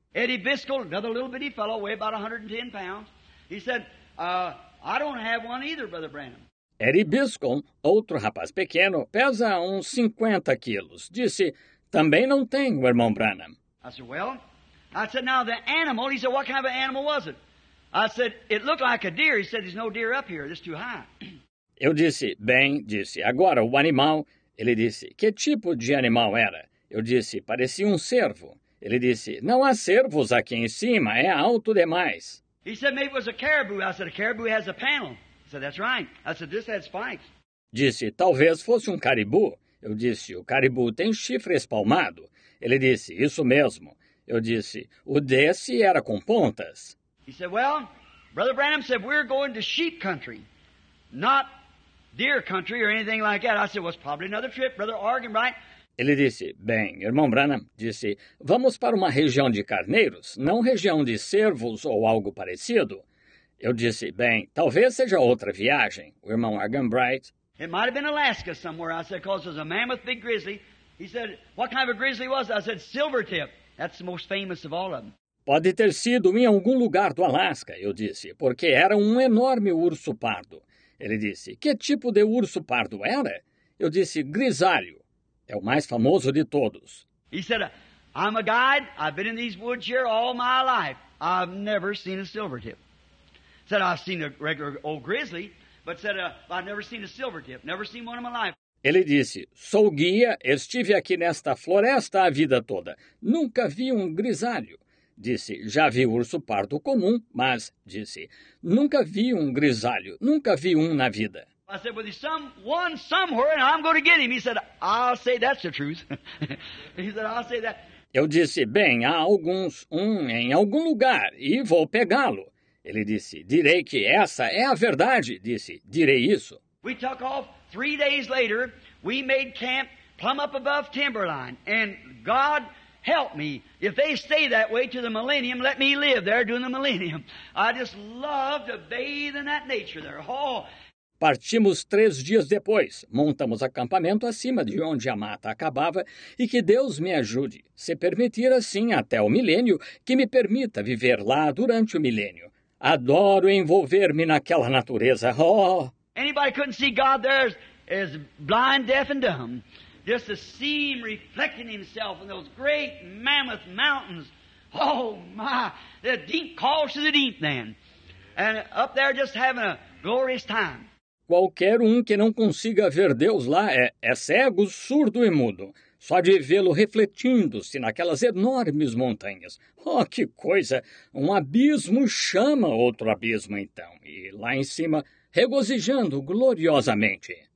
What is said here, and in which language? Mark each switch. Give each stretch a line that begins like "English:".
English: Eddie Biscoll, another little bitty fellow, weighed about 110 pounds. He said, I don't have one either, Brother Branham.
Portuguese: Eddie Biscoll, outro rapaz pequeno, pesa uns 50 quilos. Disse, também não tenho, irmão Branham.
English: I said, well, I said, now the animal, he said, what kind of animal was it? I said, it looked like a deer. He said, there's no deer up here, it's too high.
Portuguese: Eu disse, bem, disse, agora o animal... Ele disse, que tipo de animal era? Eu disse, parecia um cervo. Ele disse, não há cervos aqui em cima, é alto demais.
English: He said, maybe it was a caribou. I said, a caribou has a panel. He said, that's right. I said, this has spikes.
Portuguese: Disse, talvez fosse um caribou. Eu disse, o caribou tem chifre espalmado. Ele disse, isso mesmo. Eu disse, o desse era com pontas.
English: He said, well, Brother Branham said, we're going to sheep country, not deer country or anything like that. I said, well, probably another trip, Brother Argan, right?
Portuguese: Ele disse, bem, irmão Branham, disse, vamos para uma região de carneiros, não região de cervos ou algo parecido. Eu disse, bem, talvez seja outra viagem, o irmão Argan Bright.
English: It might have been Alaska somewhere, I said, because there's a mammoth big grizzly. He said, what kind of a grizzly was it? I said, Silvertip. That's the most famous of all of them.
Portuguese: Pode ter sido em algum lugar do Alaska, eu disse, porque era um enorme urso pardo. Ele disse, que tipo de urso pardo era? Eu disse, grisalho. É o mais famoso de todos.
English: He said, I'm a guide. I've been in these woods here all my life. I've never seen a silvertip. Said, I've seen a regular old grizzly, but said, I've never seen a silvertip. Never seen one in my life.
Portuguese: Ele disse, sou guia. Estive aqui nesta floresta a vida toda. Nunca vi um grisalho. Disse, já vi urso pardo comum, mas, disse, nunca vi um grisalho, nunca vi um na vida.
English: I said, well, there's some, one somewhere, and I'm going to get him. He said, I'll say that's the truth. He said, I'll say that.
Portuguese: Eu disse, bem, há alguns, em algum lugar, e vou pegá-lo. Ele disse, direi que essa é a verdade. Disse, direi isso.
English: We took off 3 days later, we made camp plumb up above Timberline, and God... Help me. If they stay that way to the millennium, let me live there during the millennium. I just love to bathe in that nature there. Oh.
Portuguese: Partimos 3 dias depois, montamos acampamento acima de onde a mata acabava e que Deus me ajude, se permitir assim até o milênio, que me permita viver lá durante o milênio. Adoro envolver-me naquela natureza. Oh!
English: Anybody couldn't see God there is blind, deaf and dumb. Just to see him reflecting himself in those great mammoth mountains. Oh my, the deep calls to the deep then. And up there just having a glorious time.
Portuguese: Qualquer um que não consiga ver Deus lá é cego, surdo e mudo. Só de vê-lo refletindo-se naquelas enormes montanhas. Oh, que coisa! Um abismo chama outro abismo, então. E lá em cima, regozijando gloriosamente.